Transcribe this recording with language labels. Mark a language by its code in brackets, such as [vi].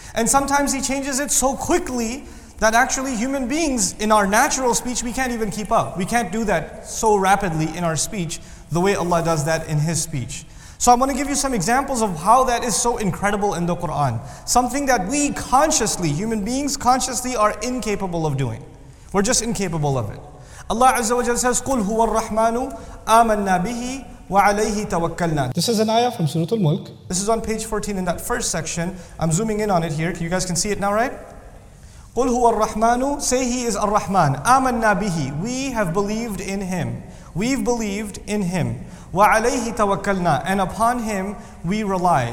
[en] And sometimes He changes it so quickly that actually human beings in our natural speech, we can't even keep up. We can't do that so rapidly in our speech the way Allah does that in His speech. So I want to give you some examples of how that is so incredible in the Quran. Something that we consciously, human beings consciously are incapable of doing. We're just incapable of it. Allah Azza wa Jalla says, [ar] قُلْ هُوَ الرَّحْمَنُ آمَنَّا بِهِ وَعَلَيْهِ تَوَكَّلْنَا. [en] This is an ayah from Surah Al-Mulk. This is on page 14 in that first section. I'm zooming in on it here. You guys can see it now, right? [ar] قُلْ هُوَ الرَّحْمَنُ. [en] Say He is Ar-Rahman. [ar] آمَنَّا بِهِ. [en] We have believed in Him. We've believed in Him. [ar] وَعَلَيْهِ تَوَكَّلْنَا. [en] And upon Him we rely.